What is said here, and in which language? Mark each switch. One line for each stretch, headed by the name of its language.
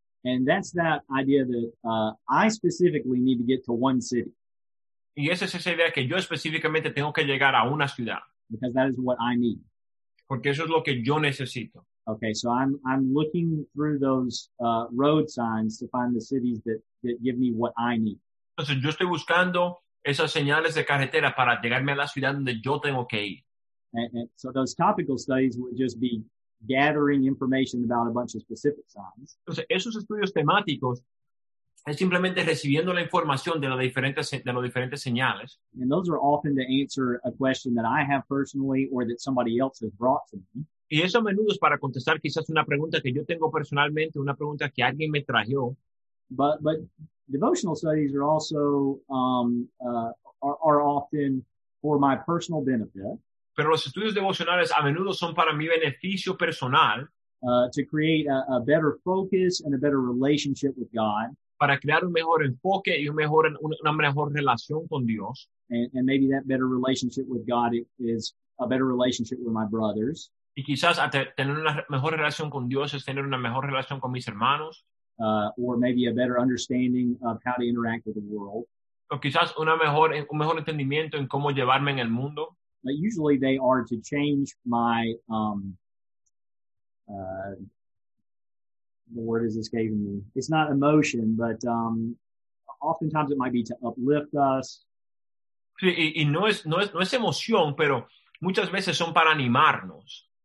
English: And that's that idea that I specifically need to get to one city.
Spanish: Y esa es esa idea que yo específicamente tengo que llegar a una ciudad.
English: Because that is what I need.
Spanish: Porque eso es lo que yo necesito.
English: Okay, so I'm looking through those road signs to find the cities that give me what I need.
Spanish: Entonces yo estoy buscando esas señales de carretera para llegarme a la ciudad donde yo tengo que ir.
English: And so those topical studies would just be gathering information about a bunch of specific signs.
Spanish: Entonces, esos estudios temáticos es simplemente recibiendo la información de los diferentes señales.
English: And those are often to answer a question that I have personally or that somebody else has brought to me.
Spanish: Y eso a menudo es para contestar quizás una pregunta que yo tengo personalmente, una pregunta que alguien me trajo.
English: But devotional studies are also are often for my personal benefit.
Spanish: Pero los estudios devocionales a menudo son para mi beneficio personal.
English: To create a better focus and a better relationship with God.
Spanish: Para crear un mejor enfoque y una mejor relación con Dios.
English: And maybe that better relationship with God is a better relationship with my brothers.
Spanish: Y quizás tener una mejor relación con Dios es tener una mejor relación con mis hermanos.
English: Or maybe a better understanding of how to interact with the world.
Spanish: O quizás un mejor entendimiento en cómo llevarme en el mundo.
English: But usually they are to change my, the word is escaping me. It's not emotion, but oftentimes it might be to uplift us.
Spanish: Sí, y no es emoción, pero muchas veces son para animarnos.